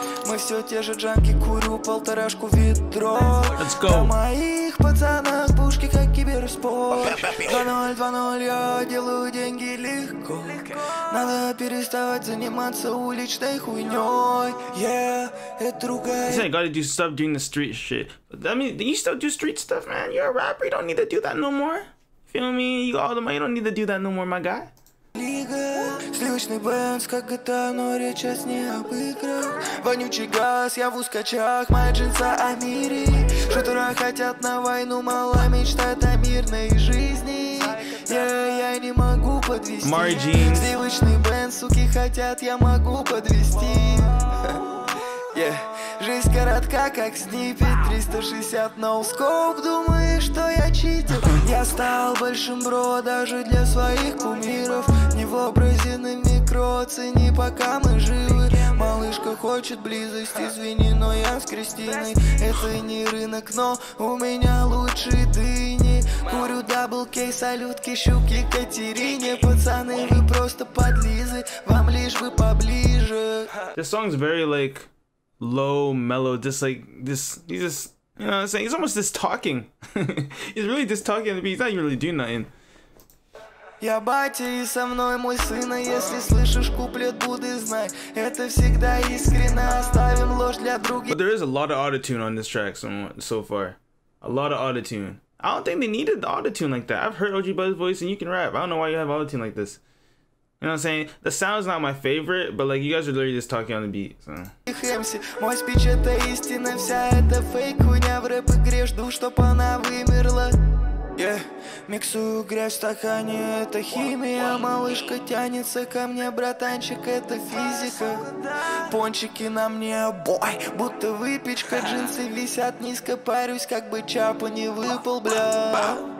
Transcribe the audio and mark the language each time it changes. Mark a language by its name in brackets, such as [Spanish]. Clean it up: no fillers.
[Russian] Мы все те же джанки, курю полторашку ведро. [English] Let's go. [Russian] На моих пацанах пушки, как киберспорт. 2-0, 2-0, я делаю деньги легко. Надо переставать заниматься уличной хуйней. Yeah, это другая. [English] He said, gotta do stuff doing the street shit. I mean, you still do street stuff, man. You're a rapper, you don't need to do that no more. Feel me? You got all the money, you don't need to do that no more, my guy. [Russian] Лига, сливочный бенз, как GTA, но речь сейчас не об играх. Вонючий газ, я в ускачах, моя джинса о мире. Шутера хотят на войну, мало мечтают о мирной жизни. Я не могу подвести. Сливочный бенз, суки хотят, я могу подвести. Жизнь коротка, как сниппет, 360 ноу-скоп, думаешь, что я читер? Я стал большим бро, даже для своих кумиров. Невообразимый микро, цени, пока мы живы. Малышка хочет близости, извини, но я с Кристиной. Это не рынок, но у меня лучшие дыни. Курю дабл кей, салютки, щуки, Катерине. Пацаны, вы просто подлизы, вам лишь бы поближе. [English] This song's very like low, mellow, just like this. He's just, you know what I'm saying? He's almost just talking. He's really just talking to me. He's not even really doing nothing. [Russian] Я батя и со мной мой сын, а если слышишь куплет, буду знать. Это всегда искренне, оставим ложь для других. [English] But there is a lot of autotune on this track so far. A lot of autotune. I don't think they needed the autotune like that. I've heard OG Buzz's voice and you can rap. I don't know why you have autotune like this. You know what I'm saying? The sound's not my favorite, but like you guys are literally just talking on the beat, so. [Russian] Мой спич это истина, вся эта фейк. Хуйня в рэп игре, жду, чтоб она вымерла. Миксую грязь в стакане, это химия. Малышка тянется ко мне, братанчик, это физика. Пончики на мне, бой, будто выпечка. Джинсы висят низко, парюсь, как бы чапа не выпал, бля.